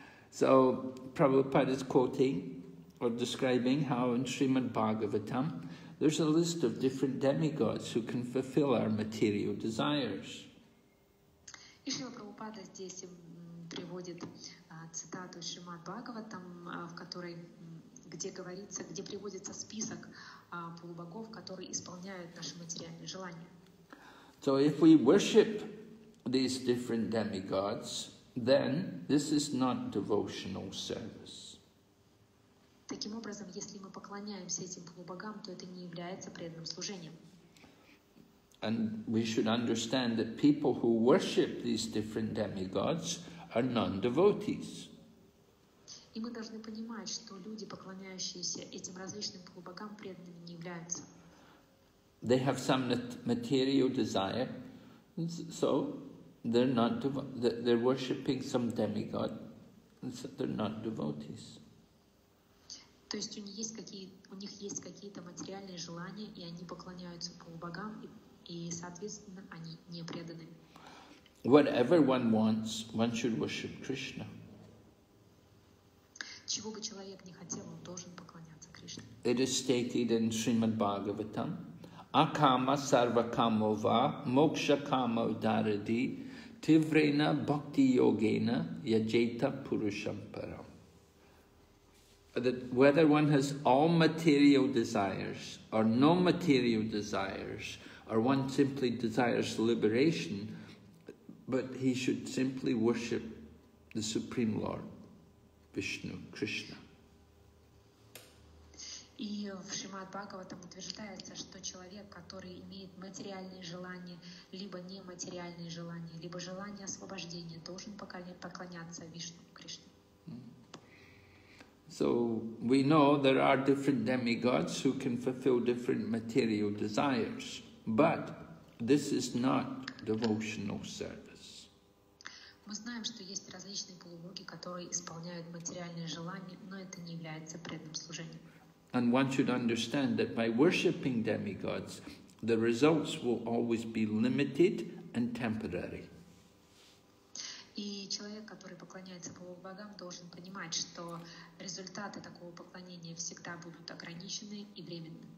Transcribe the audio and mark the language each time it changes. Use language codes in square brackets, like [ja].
[en] So Prabhupada is quoting or describing how in Srimad Bhagavatam there's a list of different demigods who can fulfill our material desires. [ru] И Шрила Прабхупада здесь приводит цитату из Шримад Бхагаватам, в которой где говорится, где приводится список полубогов, которые исполняют наши материальные желания. [en] So if we worship these different demigods, then this is not devotional service. [ru] Таким образом, если мы поклоняемся этим полубогам, то это не является преданным служением. [en] And we should understand that people who worship these different demigods are non-devotees. [ru] И мы должны понимать, что люди, поклоняющиеся этим различным полубогам, преданными не являются. [en] They have some material desire, so they're not they're worshipping some demigod, so they're not devotees. [ru] То есть у них есть какие-то материальные желания, и они поклоняются полубогам, и соответственно они не преданы. [en] Whatever one wants, one should worship Krishna. [ru] Чего бы человек ни хотел, он должен поклоняться Кришне. [en] It is stated in Srimad Bhagavatam, [sa] Akama sarvakamo va moksha kama udaradi tivrena bhakti yogena yajeta purusham param. [en] That whether one has all material desires or no material desires, or one simply desires liberation, but he should simply worship the Supreme Lord, Vishnu, Krishna. [ru] И в Шримад Бхагаватам утверждается, что человек, который имеет материальные желания, либо нематериальные желания, либо желание освобождения, должен поклоняться Вишну, Кришне. [en] So we know there are different demigods who can fulfill different material desires, but this is not devotional service. [ru] Мы знаем, что есть различные полубоги, которые исполняют материальные желания, но это не является преданным служением. [en] And one should understand that by worshipping demigods, the results will always be limited and temporary. [ru] И человек, который поклоняется полубогам, должен понимать, что результаты такого поклонения всегда будут ограничены и временны.